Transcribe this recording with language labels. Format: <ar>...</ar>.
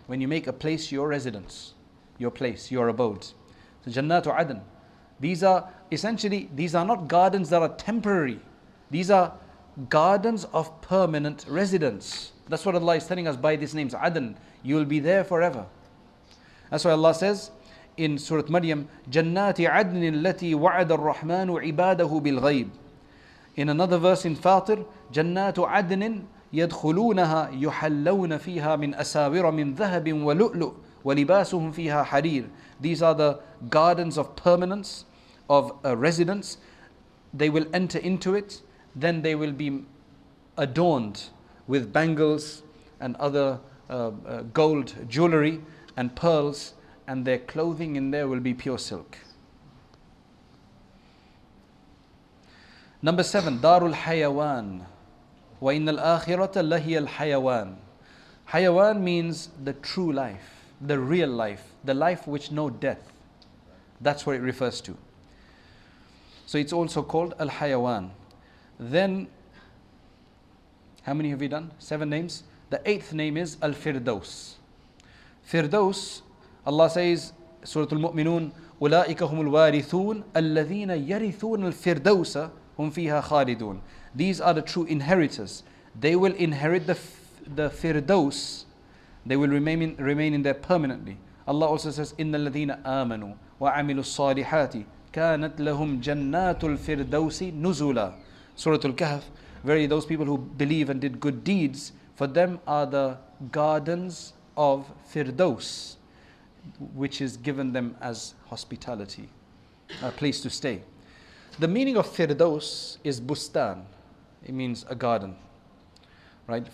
<en>When you make a place your residence, your place, your abode. So jannatu adan, these are not gardens that are temporary. These are gardens of permanent residence. That's what Allah is telling us by these names, adan. You will be there forever. That's why Allah says in Surah Maryam,</en> <ar>جَنَّاتِ عَدْنٍ الَّتِي وَعَدَ الرَّحْمَنُ عِبَادَهُ بِالْغَيْبِ.</ar> <en>In another verse in Fatir,</en> <ar>جَنَّاتُ عَدْنٍ يَدْخُلُونَهَا يُحَلَّوْنَ فِيهَا مِنْ أَسَاوِرَ مِنْ ذَهَبٍ وَلُؤْلُؤْ وَلِبَاسُهُمْ فِيهَا حَرِيرٌ.</ar> <en>These are the gardens of permanence, of a residence. They will enter into it, then they will be adorned with bangles and other gold jewelry and pearls, and their clothing in there will be pure silk. Number seven, Darul Hayawan.</en> <ar>وَإِنَّ الْآخِرَةَ لَهِيَ الْحَيَوَانِ.</ar> <en>Hayawan means the true life, the real life, the life which no death. That's what it refers to. So it's also called Al-Hayawan. Then, how many have we done? Seven names. The eighth name is Al-Firdaus.</en> <ar>Firdaus,</ar> <en>Allah says,</en> <ar>Surah Al-Mu'minun, أُولَٰئِكَ هُمُ الْوَارِثُونَ الَّذِينَ يَرِثُونَ الْفِرْدَوْسَ هُمْ فِيهَا خَالِدُونَ.</ar> <en>These are the true inheritors. They will inherit the Firdaus. They will remain in there permanently. Allah also says,</en> <ar>إِنَّ الَّذِينَ آمَنُوا وَعَمِلُوا الصَّالِحَاتِ كَانَتْ لَهُمْ جَنَّاتُ الْفِرْدَوْسِ نُزُولًا.</ar> <en>Surah Al-Kahf, verily those people who believe and did good deeds, for them are the gardens of Firdaus, which is given them as hospitality, a place to stay. The meaning of Firdaus is bustan. It means a garden, right?</en>